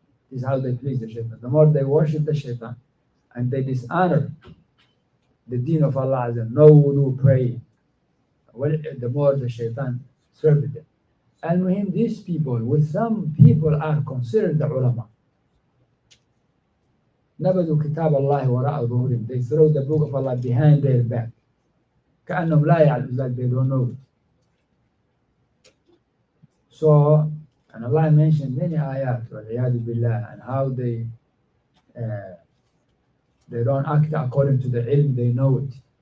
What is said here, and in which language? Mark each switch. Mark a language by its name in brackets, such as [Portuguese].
[English] This is how they please the shaitan. The more they worship the shaitan and they dishonor the deen of Allah, no wudu, pray, well, the more the shaitan serves them. And with him, these people, with some people, are considered the ulama. [Arabic] نبذوا كتاب الله وراء ظهورهم. [English] They throw the book of Allah behind their back. [Arabic] كأنهم لا يعلمون. [English] Like they don't know. So, and Allah mentioned many ayat, [Arabic] والعياذ بالله, [English] and how they don't act according to the ilm, they know it.